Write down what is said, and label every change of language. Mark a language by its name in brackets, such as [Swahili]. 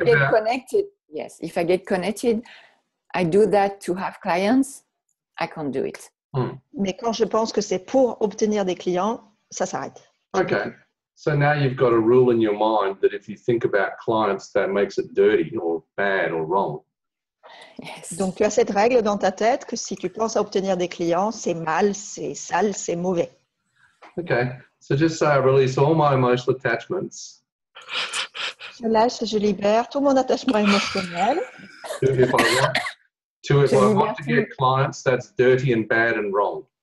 [English] But if I get connected, I do that to have clients, I can't do it. [French] Mais quand je pense que c'est pour obtenir des clients, ça s'arrête. [English] Okay. So now you've got a rule in your mind that if you think about clients, that makes it dirty or bad or wrong. Yes. [French] Donc tu as cette règle dans ta tête que si tu penses à obtenir des clients, c'est mal, c'est sale, c'est mauvais. [English] Okay. So just say I release all my emotional attachments. [French] Je lâche, je libère tout mon attachement émotionnel. [English] If I want to get clients, that's dirty and bad and wrong.